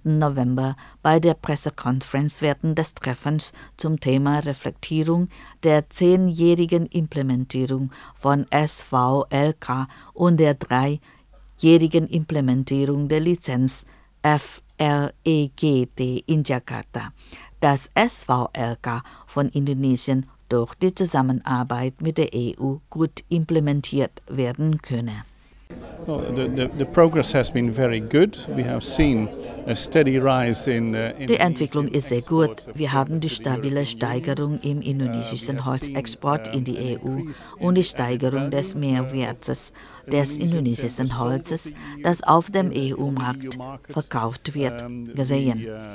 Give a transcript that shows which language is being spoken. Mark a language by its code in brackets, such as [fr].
[de] November, bei der Pressekonferenz während des Treffens zum Thema Reflektierung der 10-jährigen Implementierung von SWRK und der 3-jährigen Implementierung der Lizenz FLEGD in Jakarta, dass SWRK von Indonesien durch die Zusammenarbeit mit der EU gut implementiert werden könne. [en] Well, the progress has been very good. We have seen a steady rise in [de] Die Entwicklung ist sehr gut. Wir haben die stabile Steigerung im indonesischen Holzexport in die EU und die Steigerung des Mehrwertes des indonesischen Holzes, das auf dem EU-Markt verkauft wird, gesehen.